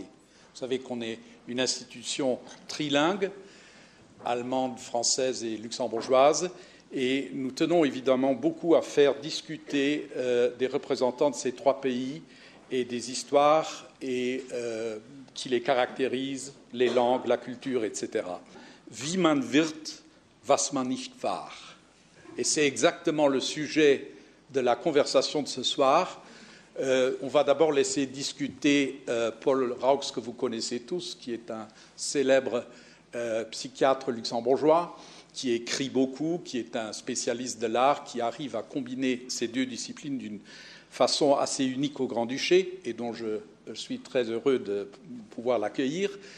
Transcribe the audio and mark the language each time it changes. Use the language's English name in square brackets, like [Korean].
[French] Vous savez qu'on est une institution trilingue, allemande, française et luxembourgeoise, et nous tenons évidemment beaucoup à faire discuter des représentants de ces trois pays et des histoires et, qui les caractérisent, les langues, la culture, etc. [German] « Wie man wird, was man nicht war ». [French] Et c'est exactement le sujet de la conversation de ce soir. On va d'abord laisser discuter Paul Raux, que vous connaissez tous, qui est un célèbre psychiatre luxembourgeois, qui écrit beaucoup, qui est un spécialiste de l'art, qui arrive à combiner ces deux disciplines d'une façon assez unique au Grand-Duché, et dont je suis très heureux de pouvoir l'accueillir.